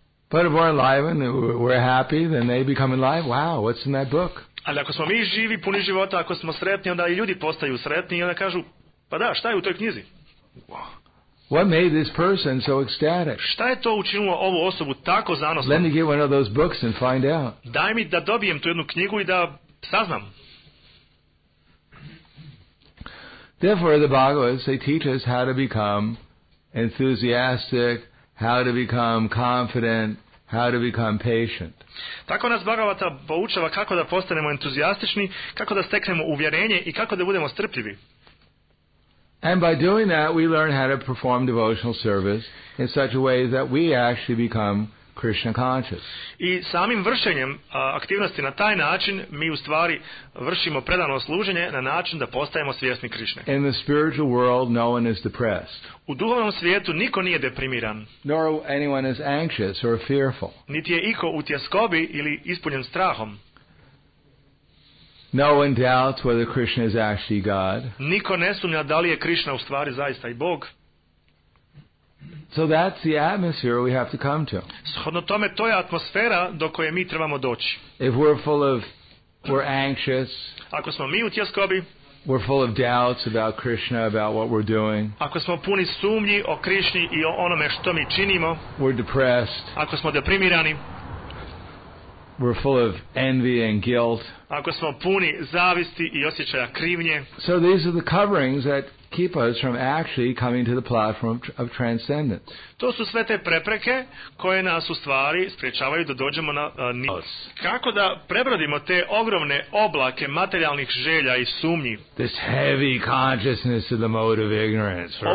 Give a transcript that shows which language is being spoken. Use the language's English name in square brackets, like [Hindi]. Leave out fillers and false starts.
[English] But if we're alive and we're happy, then they become alive. Wow, what's in that book? [Bosnian] Ali ako smo mi živi, puni života, ako smo sretni, onda i ljudi postaju sretni i onda kažu, pa da, šta je u toj knjizi? [English] What made this person so ecstatic? [Bosnian] Šta je to učinilo ovu osobu tako zanosnom? [English] Let me get one of those books and find out. [Bosnian] Daj mi da dobijem tu jednu knjigu i da saznam. [English] Therefore, the Bhagavad, they teach us how to become enthusiastic, how to become confident, how to become patient. [Bosnian] Tako nas Bhagavata poučava kako da postanemo entuzijastični, kako da steknemo uvjerenje i kako da budemo strpljivi. [English] And by doing that, we learn how to perform devotional service in such a way that we actually become Krishna conscious. [Bosnian] I samim vršenjem aktivnosti na taj način mi u stvari vršimo predano služenje na način da postajemo svjesni Krišne. [English] In the spiritual world, no one is depressed. [Bosnian] U duhovnom svijetu niko nije deprimiran. [English] Nor anyone is anxious or fearful. [Bosnian] Niti je iko u tjeskobi ili ispunjen strahom. [English] No one doubts whether Krishna is actually God. [Bosnian] Niko ne sumnja da li je Krišna u stvari zaista i Bog. [English] So that's the atmosphere we have to come to. [Bosnian] Shodno tome, to je atmosfera do koje mi trebamo doći. [English] If we're full of, we're anxious. [Bosnian] Ako smo mi u tjeskobi. [English] We're full of doubts about Krishna, about what we're doing. [Bosnian] Ako smo puni sumnji o Krišni i o onome što mi činimo. [English] We're depressed. [Bosnian] Ako smo deprimirani. [English] We're full of envy and guilt. [Bosnian] Ako smo puni zavisti i osjećaja krivnje. [English] So these are the coverings that keep us from actually coming to the platform of transcendence. [Bosnian] To su sve te prepreke koje nas u stvari sprječavaju da dođemo na nivos. Kako da prebrodimo te ogromne oblake materijalnih želja i sumnji? [English] This heavy consciousness of the mode of ignorance.